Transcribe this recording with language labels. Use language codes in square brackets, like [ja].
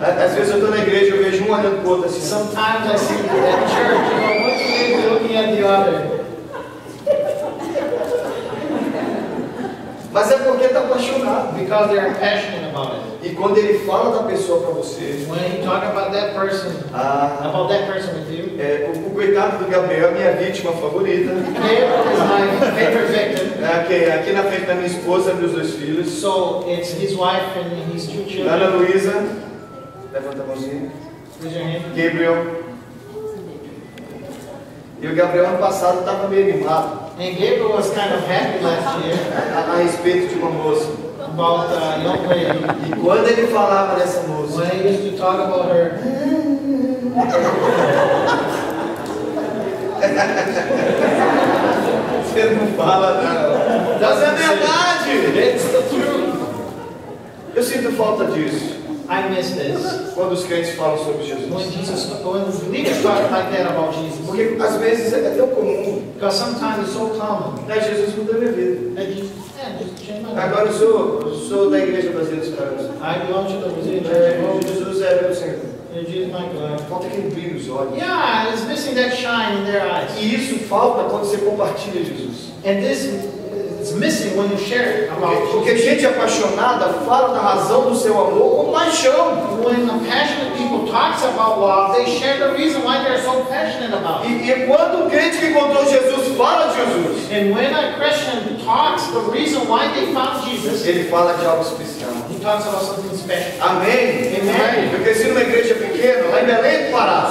[pt] Às vezes eu estou na igreja e vejo um olhando para o outro assim. [en] Sometimes I see them at church and one of them is looking at the other. [pt] Mas é porque está apaixonado. [en] Because they're passionate about it. [pt] E quando ele fala da pessoa para você, [en] when you talk about that person, about that person with you, [pt] o coitado do Gabriel é minha vítima favorita. [en] Gabriel is my favorite victim. [pt] Okay, aqui na frente da minha esposa e meus dois filhos. [en] So it's his wife and his two children. [pt] Ana Luísa, levanta a mãozinha. Gabriel. E o Gabriel ano passado estava meio animado. [en] And Gabriel was kind of happy last year. [pt] A respeito de uma moça. [en] About a young lady. [pt] E quando ele falava dessa moça. [en] When he used to talk about her. [pt] Você não fala nada. Mas é verdade. [en] It's the truth. [pt] Eu sinto falta disso. [en] I miss this. [pt] Quando os crentes falam sobre Jesus. [en] When [pt] os líderes falam [en] like that about Jesus. [pt] Porque às vezes é tão comum. [en] Because sometimes it's so common. [pt] É Jesus mudou minha vida. [en] Just [pt] agora eu sou da igreja brasileira dos caras. [en] I belong to the Brazilian Church. [pt] Jesus é meu Senhor. [en] Jesus, my God. [pt] Falta aquele brilho nos olhos. [en] Yeah, it's missing that shine in their eyes. [pt] E isso falta quando você compartilha Jesus. [en] And this it's missing when you share it about Jesus. [pt] Porque gente apaixonada fala da razão do seu amor com paixão. [en] When a passionate people talks about love, they share the reason why they're so passionate about it. [pt] E quando o crente que encontrou Jesus fala de Jesus. [en] And when a Christian talks the reason why they found Jesus. [pt] Ele fala de algo especial. [en] He talks about something special. [pt] Amém. [en] Amém. [pt] Eu cresci numa igreja pequena, lá em Belém do Pará.